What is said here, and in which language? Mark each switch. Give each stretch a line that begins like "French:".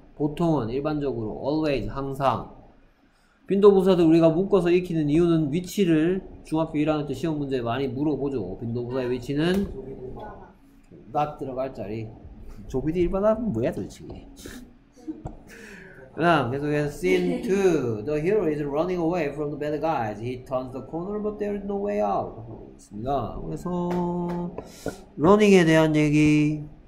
Korean: 보통은 일반적으로. Always. 항상. 빈도 부사들 우리가 묶어서 익히는 이유는 위치를 중학교 1학년 때 시험 문제에 많이 물어보죠. 빈도 부사의 위치는 딱 들어갈 자리. 조비디 일반화는 뭐야 도대체. 그럼 계속해서 scene 2.
English: The hero is running away from the bad guys. He turns the corner but there is no way out.
Korean: 있습니다. 그래서 러닝에 대한 얘기.